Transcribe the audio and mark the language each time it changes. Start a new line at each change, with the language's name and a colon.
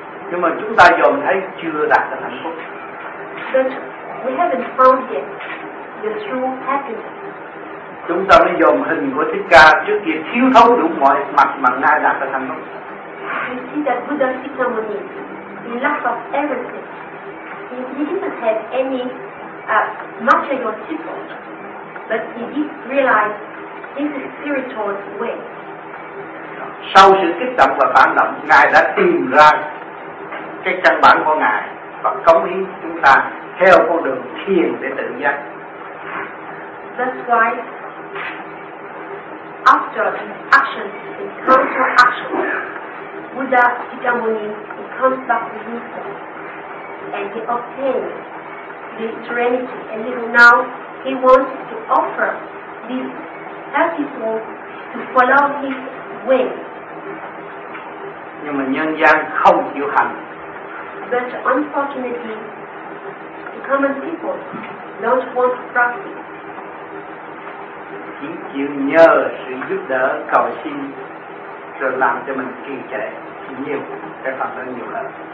Vietnamese: Nhưng mà chúng ta dòm thấy chưa đạt được hạnh phúc.
English: We haven't found yet the true happiness.
Vietnamese: Chúng ta mới dùng hình của Thích Ca trước kia thiếu thấu đủ mọi mặt mà ngài đạt được thành công.
English: We see that Buddha Kitamuni, he lacked of everything. He didn't have any material support, but he did realize this is spiritual way.
Vietnamese: Sau sự kích động và phản động, ngài đã tìm ra cái căn bản của ngài và cống hiến chúng ta theo con đường thiền để tự giác.
English: That's why after the action, the counter action, Buddha Kitamuni comes back to himself and he obtains the serenity. And even now he wants to offer the help people to follow his way.
Vietnamese: Nhưng mà nhân gian không chịu hành.
English: But unfortunately, the common people don't want to practice.
Vietnamese: Chỉ chịu nhờ sự giúp đỡ cầu xin rồi làm cho mình kỳ trệ nhiều, cái phần hơn nhiều hơn.